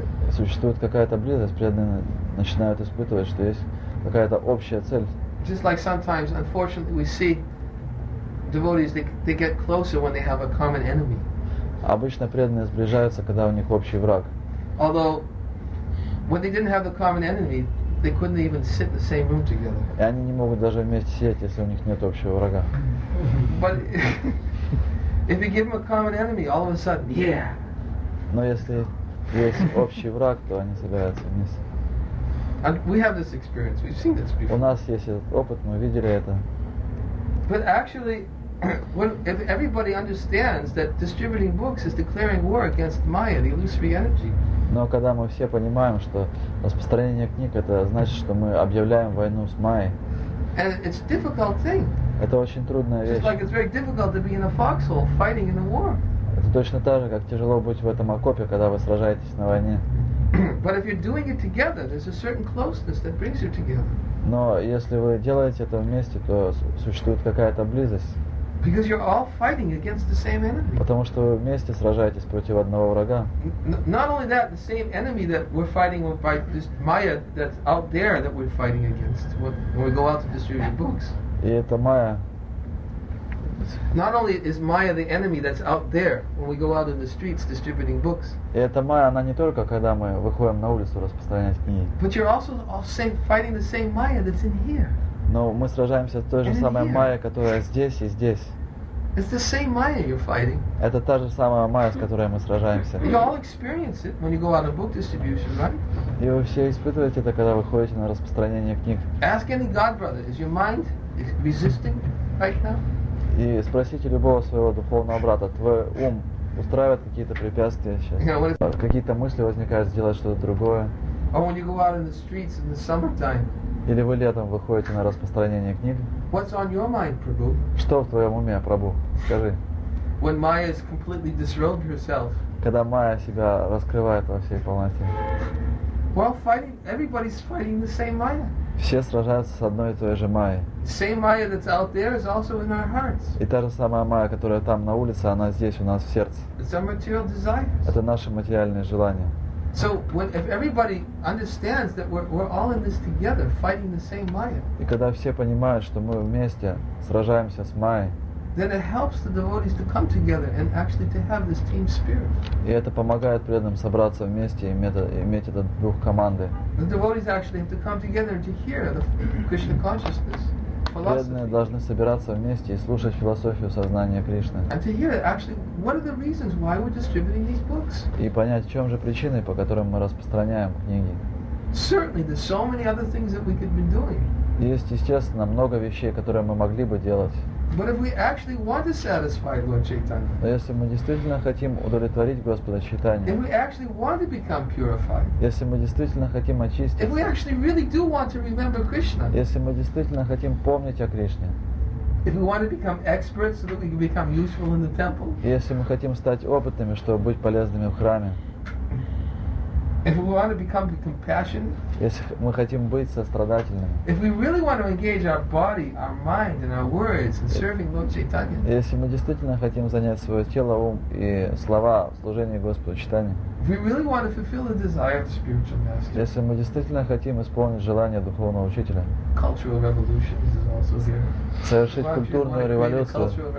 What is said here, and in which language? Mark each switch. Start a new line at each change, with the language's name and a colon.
Russian: Существует какая-то близость, преданные начинают испытывать, что есть какая-то общая цель.
English: Just like sometimes, unfortunately, we see devotees they get closer when they have a common enemy.
Russian: Обычно преданные сближаются, когда у них общий враг.
English: Although when they didn't have the common enemy, they couldn't even sit in the same room together.
Russian: И они не могут даже вместе сидеть, если у них нет общего врага.
English: But if you give them a common enemy, all of a sudden, yeah.
Russian: Но если есть общий враг, то они собираются вместе.
English: And we have this experience. We've seen this before.
Russian: У нас есть этот опыт. Мы видели это.
English: But actually, if everybody understands that distributing books is declaring war against Maya, the illusory energy.
Russian: Но когда мы все понимаем, что распространение книг это значит, что мы объявляем войну с Майей.
English: And it's a difficult thing.
Russian: Это очень трудная вещь.
English: Just like it's very difficult to be in a foxhole fighting in a war.
Russian: Это точно так же, как тяжело быть в этом окопе, когда вы сражаетесь на войне.
English: But if you're doing it together, there's a certain closeness that brings you together.
Russian: Но если вы делаете это вместе, то существует какая-то близость.
English: Because you're all fighting against the same enemy.
Russian: Потому что вы вместе сражаетесь против одного врага.
English: Not only that, the same enemy that we're fighting with by this Maya that's out there that we're fighting against when we go out to distribute the books.
Russian: И это Майя.
English: Not only is Maya the enemy that's out there when we go out in the streets distributing books.
Russian: И это Майя, она не только когда мы выходим на улицу распространять книги.
English: But you're also all same fighting the same Maya that's in here.
Russian: Но мы сражаемся с той же самой Майя, которая здесь и здесь.
English: It's the same Maya you're fighting.
Russian: Это та же самая Майя, с которой мы сражаемся.
English: You all experience it when you go out on book distribution, right?
Russian: И вы все испытываете это, когда выходите на распространение книг.
English: Ask any God brother, is your mind resisting right now?
Russian: И спросите любого своего духовного брата, твой ум устраивает какие-то препятствия сейчас?
English: You know,
Russian: какие-то мысли возникают сделать что-то другое?
English: Or when you go out in the streets in the summertime?
Russian: Или вы летом выходите на распространение книг?
English: What's on your mind, Prabhu?
Russian: Что в твоем уме, Прабху? Скажи.
English: When Maya has completely disrobed herself.
Russian: Когда Майя себя раскрывает во всей полноте.
English: While fighting, everybody's fighting the same Maya.
Russian: Все сражаются с одной и той же Майей.
English: Same Maya that's out there is also in our hearts.
Russian: И та же самая Майя, которая там на улице, она здесь у нас в сердце.
English: It's our material desires.
Russian: Это наши материальные желания.
English: So when if everybody understands that we're all in this together, fighting the same Maya.
Russian: И когда все понимают, что мы вместе сражаемся с Майей.
English: Then it helps the devotees to come together and actually to have this team spirit.
Russian: И это помогает преданным собраться вместе и иметь этот дух команды.
English: The devotees actually have to come together to hear the Krishna consciousness.
Russian: Преданные должны собираться вместе и слушать философию сознания Кришны.
English: And to hear it, actually, what are the reasons why we're distributing these books?
Russian: И понять, в чем же причины, по которым мы распространяем книги.
English: Certainly, there's so many other things that we could be doing.
Russian: Есть, естественно, много вещей, которые мы могли бы делать.
English: But if we actually want to satisfy Lord Chaitanya,
Russian: если мы действительно хотим удовлетворить Господа Чайтанью,
English: if we actually want to become purified,
Russian: если мы действительно хотим очиститься,
English: if we actually really do want to remember Krishna,
Russian: если мы действительно хотим помнить о Кришне,
English: if we want to become experts so that we can become useful in the temple,
Russian: если мы хотим стать опытными, чтобы быть полезными в храме,
English: if we want to become compassionate,
Russian: если мы хотим быть сострадательными,
English: if we really want to engage our body, our mind, and our words in serving Lord Chaitanya,
Russian: если мы действительно хотим занять свое тело, ум и слова в служении Господу Чайтанье,
English: if we really want to fulfill the desire of the spiritual master,
Russian: если мы действительно хотим исполнить желание духовного учителя,
English: cultural revolution is also here.
Russian: Совершить культурную революцию.